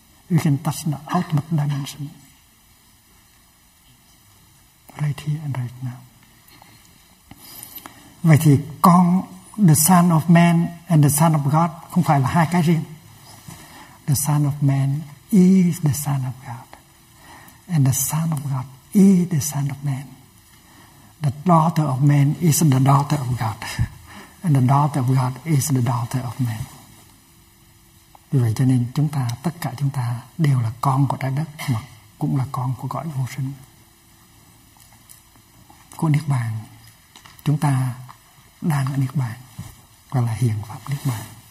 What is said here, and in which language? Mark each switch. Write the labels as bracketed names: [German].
[English] You can touch the ultimate dimension. Right here and right now. [Vietnamese] Vậy thì con, [English] the son of man and the son of God [Vietnamese] không phải là hai cái riêng. [English] The son of man is the son of God. And the son of God is the son of man. The daughter of man is the daughter of God. And the daughter of God is the daughter of man. [Vietnamese] Vì vậy cho nên chúng ta, tất cả chúng ta đều là con của trái đất mà cũng là con của cõi vô sinh. Của Niết Bàn, chúng ta đang ở Niết Bàn, gọi là hiện pháp Niết Bàn.